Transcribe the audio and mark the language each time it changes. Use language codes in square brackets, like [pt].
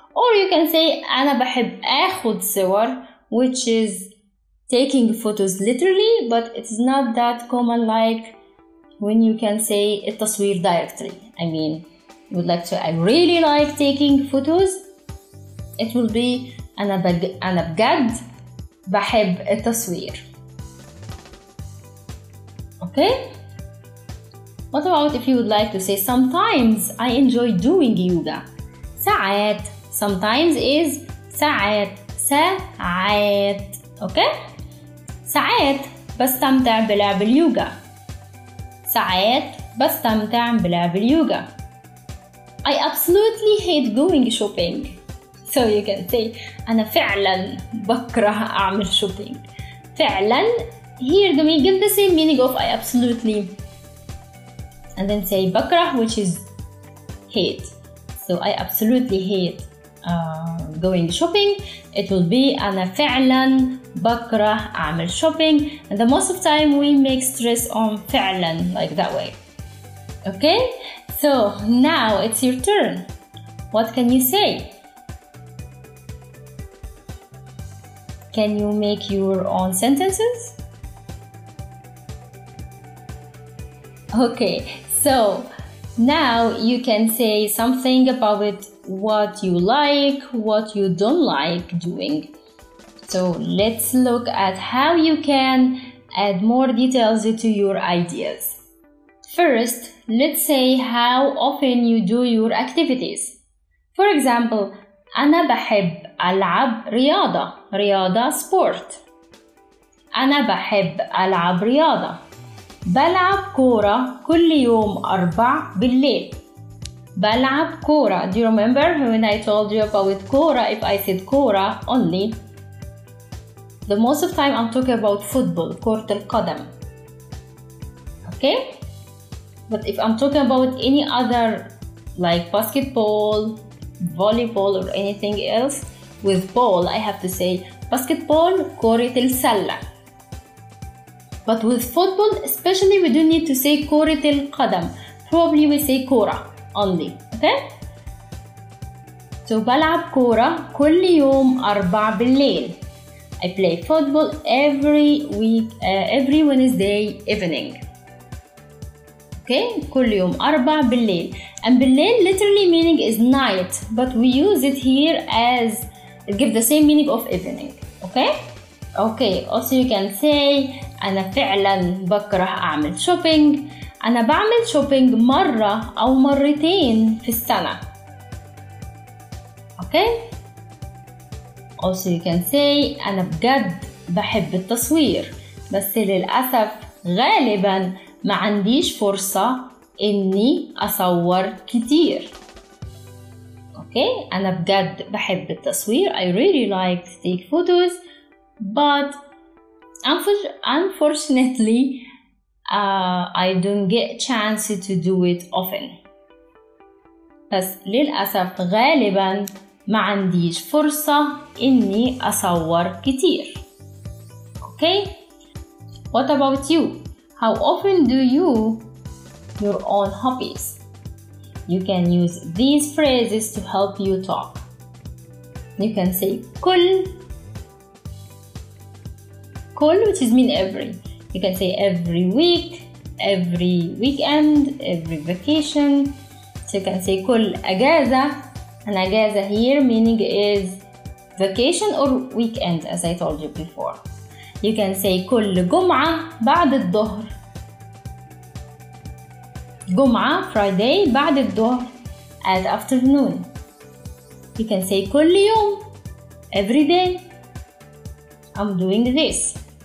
[en] Or you can say [ar] أنا بحب أخذ صور, [en] which is taking photos literally, but it's not that common like when you can say [ar] التصوير [en] directly. I mean, would like to, I really like taking photos. It will be [ar] أنا بجد بحب التصوير. [en] Okay? What about if you would like to say sometimes I enjoy doing yoga. [ar] ساعات. [en] Sometimes is [ar] ساعات. ساعات. [en] Okay? [ar] ساعات بستمتع بلعب اليوغا. ساعات بستمتع بلعب اليوغا. [en] I absolutely hate going shopping. So you can say [ar] أنا فعلا بكره أعمل [en] shopping. [ar] فعلا. [en] Here we give the same meaning of I absolutely. And then say [ar] بكره, [en] which is hate. So I absolutely hate going shopping. It will be [ar] أنا فعلا بكره أعمل shopping. [en] And the most of time we make stress on [ar] فعلا [en] like that way. Okay? So now it's your turn. What can you say? Can you make your own sentences? Okay, so now you can say something about it, what you like, what you don't like doing. So let's look at how you can add more details to your ideas. First, let's say how often you do your activities. For example, [ar] أنا بحب ألعب رياضة. رياضة [en] sport. [ar] أنا بحب ألعب رياضة. بلعب كرة كل يوم أربع بالليل. بلعب كرة. [en] Do you remember when I told you about [ar] كرة? [en] If I said كرة only, the most of time I'm talking about football, [ar] كرة القدم. [en] Okay? But if I'm talking about any other like basketball, volleyball or anything else with ball, I have to say basketball, [ar] كرة السلة. [en] But with football, especially, we don't need to say [ar] كرة القدم. [en] Probably we say [ar] كرة [en] only. Okay? So [ar] بلعب كرة كل يوم أربع بالليل. [en] I play football every week, every Wednesday evening. Okay, [ar] كل يوم أربع بالليل. [en] And [ar] بالليل [en] literally meaning is night, but we use it here as give the same meaning of evening. Okay? Okay. Also, you can say [ar] أنا فعلا بكره أعمل [en] shopping. [ar] أنا بعمل shopping مرة أو مرتين في السنة. [en] Okay? Also, you can say [ar] أنا بجد بحب التصوير. بس للأسف غالبا ما عنديش فرصة إني أصور كتير. [en] Okay, [ar] أنا بجد بحب التصوير. [en] I really like to take photos, but unfortunately, I don't get chance to do it often. [ar] بس للأسف غالبا ما عنديش فرصة إني أصور كتير. [en] Okay, what about you? How often do you your own hobbies? You can use these phrases to help you talk. You can say [ar] كل. كل, [en] which is mean every. You can say every week, every weekend, every vacation. So you can say [ar] كل أجازة. [en] And [ar] أجازة [en] here meaning is vacation or weekend, as I told you before. You can say [ar] كل جمعة بعد الظهر. جمعة [en] Friday [ar] بعد الظهر [en] at afternoon. You can say [ar] كل يوم [en] every day. I'm doing this.